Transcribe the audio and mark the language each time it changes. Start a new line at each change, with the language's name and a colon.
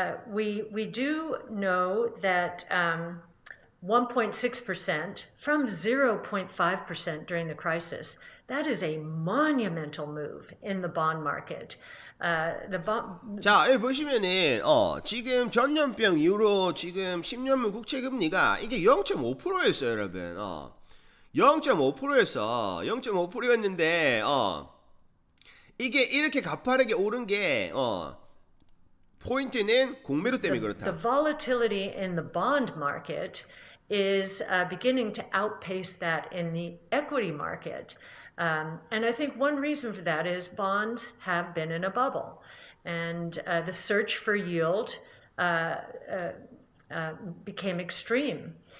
English: We do know that 1.6% from 0.5% during the crisis, that is a monumental move in the bond market.
Korean: 자, 여기 보시면은 지금 전염병 이후로 지금 10년물 국채 금리가 이게 0.5%였어요, 여러분. 0.5%였어. 0.5%였는데 이게 이렇게 가파르게 오른 게 포인트는 공매도 때문에 그렇다.
English: The volatility in the bond market is beginning to outpace that in the equity market. And I think one reason for that is bonds have been in a bubble. And the search for yield became extreme.